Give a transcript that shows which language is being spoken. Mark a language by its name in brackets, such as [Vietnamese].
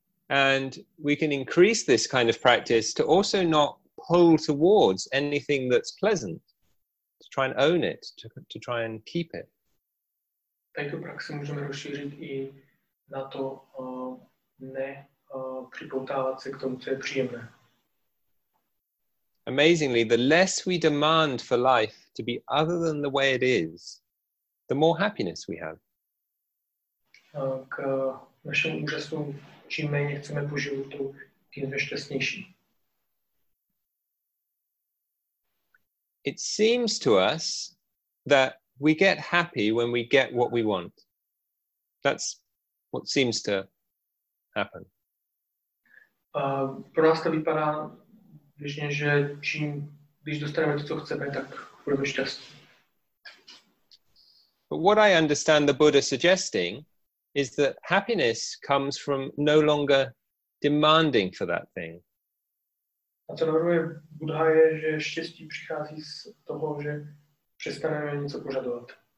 [English] And we can increase this kind of practice to also not pull towards anything that's pleasant, to try and own it, to try and keep it. [Czech] Tento praxi můžeme rozšířit i na to připoutávat se k tomu, co je příjemné. [English] Amazingly, the less we demand for life to be other than the way it is, the more happiness we have. [Czech] K našemu úžasu, čím méně chceme po životu, tím jsme šťastnější. [English] It seems to us that we get happy when we get what we want. That's what seems to happen. [Czech] Pro nás to vypadá běžně, že čím, když dostaneme to, co chceme, tak budeme šťastní. [English] But what I understand the Buddha suggesting is that happiness comes from no longer demanding for that thing. [Czech] A co navrhuje Buddha je, že štěstí přichází z toho, že přestaneme něco požadovat.